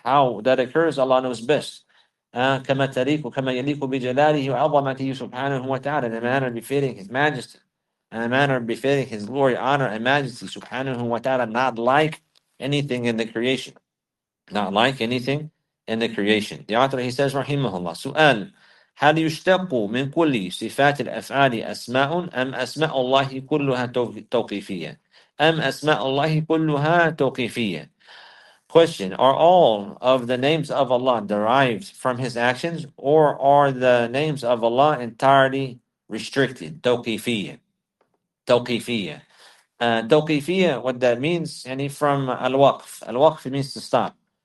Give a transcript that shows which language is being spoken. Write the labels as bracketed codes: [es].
[en] How that occurs, Allah knows best. [ar] كَمَا تَرِيكُ كَمَا يَلِيكُ بِجَلَالِهِ وَعَظَمَتِهِ [en] subhanahu wa ta'ala, in a manner befitting His majesty, in a manner befitting His glory, honor, and majesty, subhanahu wa ta'ala, not like anything in the creation. Not like anything in the creation. The author, he says, rahimahullah, [ar] سؤال هل يشتق من كل صفات الأفعال أسماء أم أسماء الله كلها توقيفية أم أسماء الله كلها توقيفية. [en] Question: are all of the names of Allah derived from His actions, or are the names of Allah entirely restricted? [ar] توقيفية. توقيفية. توقيفية. [en] What that means? Any from الوقف. الوقف means to stop.